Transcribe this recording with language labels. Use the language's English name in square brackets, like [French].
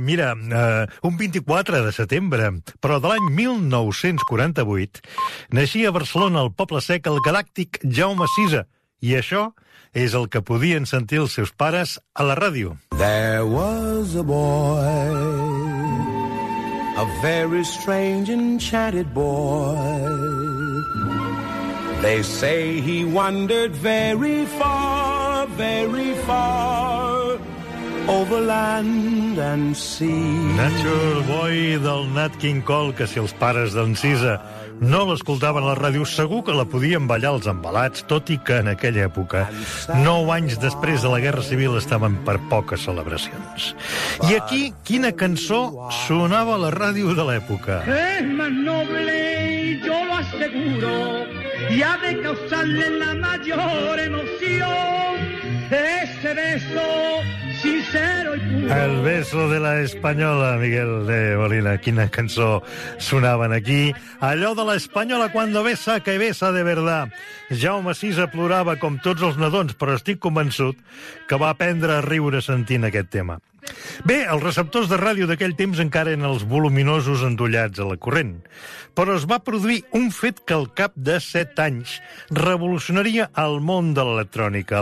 [Catalan] Mira, un 24 de setembre, però de l'any 1948, naixia a Barcelona, al Poble Sec, el galàctic Jaume Sisa. I això és el que podien sentir els seus pares a la ràdio. [English] There was a boy, a very strange enchanted boy. They say he wandered very far, very far, over land and sea. [Catalan] Nature Boy del Nat King Cole, que si els pares d'en Sisa no l'escoltaven a la ràdio, segur que la podien ballar els embalats, tot i que en aquella època, 9 anys després de la Guerra Civil, estaven per poques celebracions. I aquí, quina cançó sonava a la ràdio de l'època? [Spanish] Es más noble, yo lo aseguro, y ha de causarle la mayor emoción ese beso. El beso de la Española, Miguel de Molina. [Catalan] Quina cançó sonaven aquí. Allò de [Spanish] la Española, cuando besa, que besa de verdad. [Catalan] Jaume Sisa plorava com tots els nadons, però estic convençut que va aprendre a riure sentint aquest tema. Bé, els receptors de ràdio d'aquell temps encara eren els voluminosos endollats a la corrent. Però es va produir un fet que al cap de 7 anys revolucionaria el món de l'electrònica.